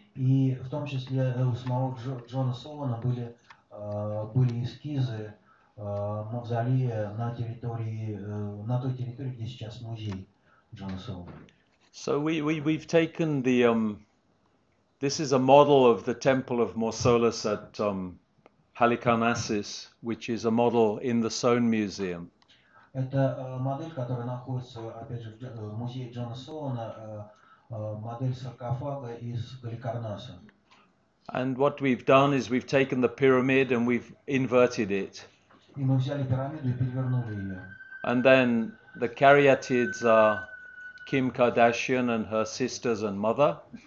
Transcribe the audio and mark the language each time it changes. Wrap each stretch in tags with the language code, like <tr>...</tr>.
<ru>И в том числе у самого Джона Солана были, были эскизы мавзолея на территории, на той территории, где сейчас музей Джона Солана.</ru> <en>So we've taken the this is a model of the temple of Mausolus at Halicarnassus, which is a model in the Soane Museum.</en> <ru>Это модель, которая находится опять же в музее Джона Солана, модель саркофага из Галикарнаса.</ru> <en>And what we've done is we've taken the pyramid and we've inverted it.</en> <ru>И мы взяли пирамиду и перевернули ее.</ru> <en>And then the caryatids are Kim Kardashian and her sisters and mother.</en>